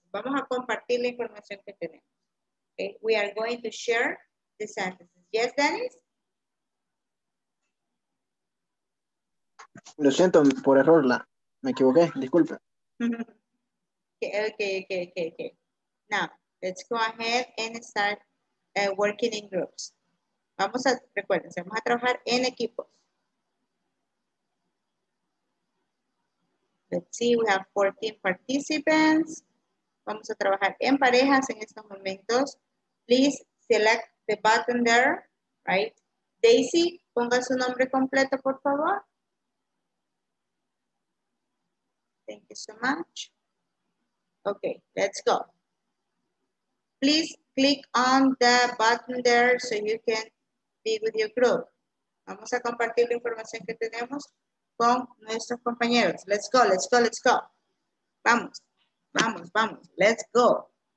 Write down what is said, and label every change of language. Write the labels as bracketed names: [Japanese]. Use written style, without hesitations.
[Spanish] Vamos a compartir la información que tenemos. [English] Okay? We are going to share the sentences. Yes, Dennis? [Spanish] Lo siento por error, me equivoqué, disculpe. [English] Okay. Now, let's go ahead and start working in groups. [Spanish] Vamos a, recuerden, vamos a trabajar en equipos. [English] Let's see, we have 14 participants. [Spanish] Vamos a trabajar en parejas en estos momentos. [English] Please select the button there, right? Daisy, [Spanish] ponga su nombre completo, por favor. [English] Thank you so much. Okay, let's go. Please click on the button there so you can be with your group. [Spanish] Vamos a compartir la información que tenemos con nuestros compañeros. [English] Let's go. [Spanish] Vamos. [English] Let's go.